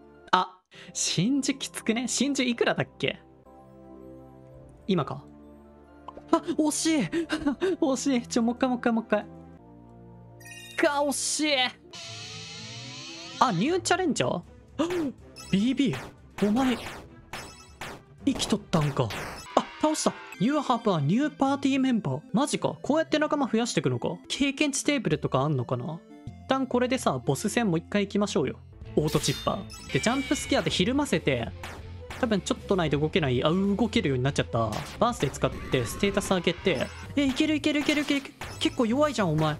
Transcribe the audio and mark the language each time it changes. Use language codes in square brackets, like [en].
[ja] あ、真珠きつくね。真珠いくらだっけ今か。あ、惜しい惜しい。ちょ、もう一回。か、惜しい。あ、ニューチャレンジャー BB、お前、生きとったんか。倒した。 [en] You have a new party member. [ja] マジか。こうやって仲間増やしていくのか。経験値テーブルとかあんのかな。一旦これでさ、ボス戦もう一回行きましょうよ。オートチッパーで、ジャンプスケアでひるませて、多分ちょっとないと動けない。あ、動けるようになっちゃった。バースで使ってステータス上げて、いけるいけるいけるいける。結構弱いじゃんお前。